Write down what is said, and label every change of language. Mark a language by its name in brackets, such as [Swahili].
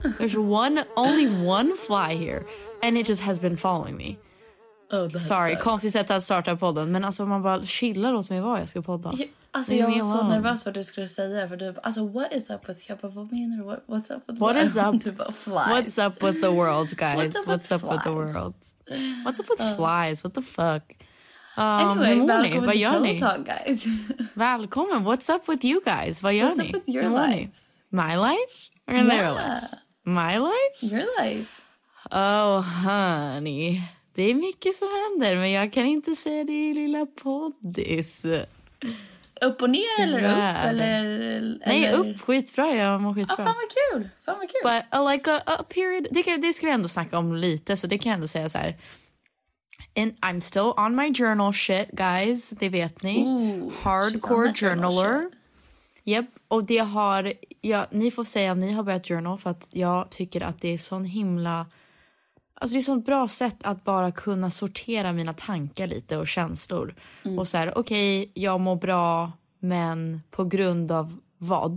[English] There's one, only one fly here and it just has been following me. Oh, sorry, sucks. [Swedish] Konstigt sätt att starta podden, men alltså man bara chillar åt mig vad jag ska podda. Alltså jag var så nervös vad du skulle säga, för du, alltså [English] what is up with, [Swedish] jag bara, vad menar du, [English] what's up with, what is up, typ, flies. What's up with the world, guys? What's up with the world? What's up with flies? What the fuck? [Swedish] Anyway, hur mår ni? Guys. [English] Välkommen, what's up with you guys? Vad [Swedish] gör ni? [English] What's up with your lives? My life? Or yeah. Their life? My life? Your life. Oh, honey. [Swedish] Det är mycket som händer, men jag kan inte säga det i lilla poddis. Upp och ner eller upp? Eller, nej, upp, skitbra. Jag mår skitbra. Ah, fan vad kul. Fan vad kul. [English] But like a period, [Swedish] det ska vi ändå snacka om lite, så det kan jag ändå säga så här. [English] And I'm still on my journal shit, guys. [Swedish] Det vet ni. Ooh, hardcore journaler. Yep. Och det har... Ja, ni får säga att ni har börjat journal, för att jag tycker att det är sån himla... Alltså det är sån bra sätt att bara kunna sortera mina tankar lite och känslor. Mm. Och så här, okej, okay, jag mår bra, men på grund av vad...